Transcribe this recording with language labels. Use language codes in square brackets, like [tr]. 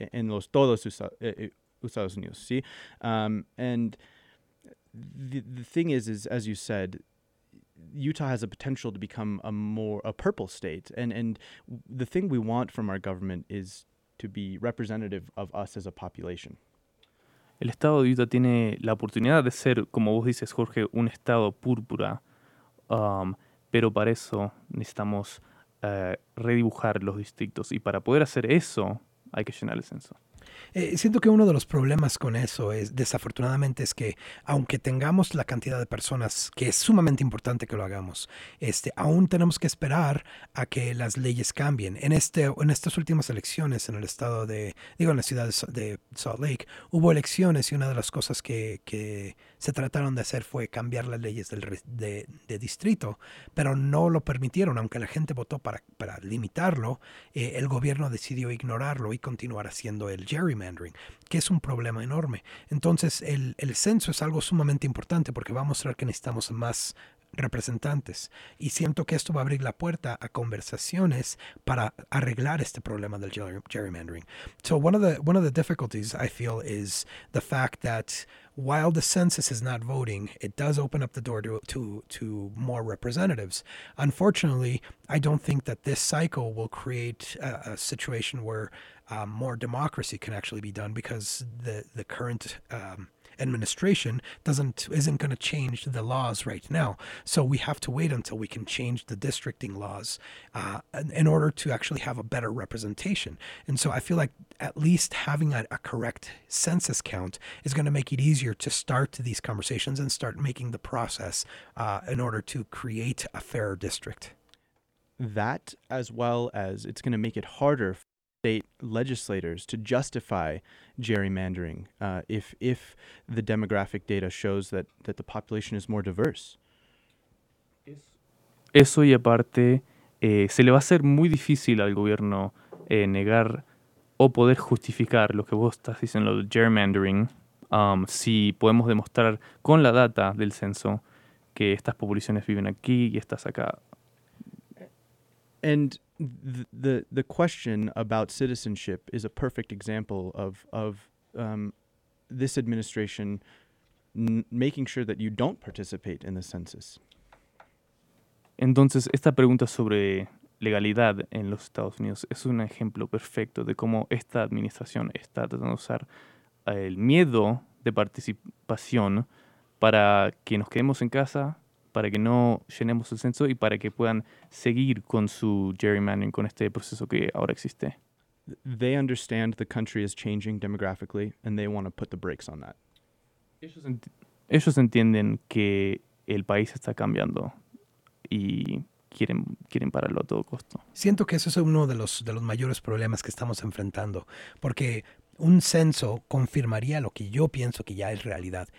[es] En los todos Estados Unidos, sí. [en] And the thing is, as you said, Utah has a potential to become a purple state. And the thing we want from our government is to be representative of us as a population. [es] El estado de Utah tiene la oportunidad de ser, como vos dices, Jorge, un estado púrpura, pero para eso necesitamos redibujar los distritos. Y para poder hacer eso, hay que llenar el censo. Siento que uno de los problemas con eso es, desafortunadamente, es que aunque tengamos la cantidad de personas, que es sumamente importante que lo hagamos, aún tenemos que esperar a que las leyes cambien. En estas últimas elecciones en el estado de, digo, en la ciudad de Salt Lake, hubo elecciones y una de las cosas que se trataron de hacer fue cambiar las leyes de distrito, pero no lo permitieron. Aunque la gente votó para limitarlo, el gobierno decidió ignorarlo y continuar haciendo el gerrymandering, que es un problema enorme. Entonces, el censo es algo sumamente importante porque va a mostrar que necesitamos más representantes. Y siento que esto va a abrir la puerta a conversaciones para arreglar este problema del gerrymandering. [en] So one of the difficulties, I feel, is the fact that while the census is not voting, it does open up the door to more representatives. Unfortunately, I don't think that this cycle will create a situation where more democracy can actually be done, because the current administration isn't going to change the laws right now. So we have to wait until we can change the districting laws in order to actually have a better representation. And so I feel like at least having a correct census count is going to make it easier to start these conversations and start making the process in order to create a fairer district. That, as well as it's going to make it harder for state legislators to justify gerrymandering if the demographic data shows that the population is more diverse. [es] Eso y aparte, se le va a hacer muy difícil al gobierno negar o poder justificar lo que vos estás diciendo, lo de gerrymandering, si podemos demostrar con la data del censo que estas poblaciones viven aquí y estas acá. [en] And the question about citizenship is a perfect example of this administration making sure that you don't participate in the census. [es] Entonces, esta pregunta sobre legalidad en los Estados Unidos es un ejemplo perfecto de cómo esta administración está tratando de usar el miedo de participación para que nos quedemos en casa, para que no llenemos el censo y para que puedan seguir con su gerrymandering, con este proceso que ahora existe. [en] They understand the country is changing demographically and they want to put the brakes on that. [es] Ellos entienden que el país está cambiando y quieren pararlo a todo costo. Siento que eso es uno de los mayores problemas que estamos enfrentando, porque un censo confirmaría lo que yo pienso que ya es realidad.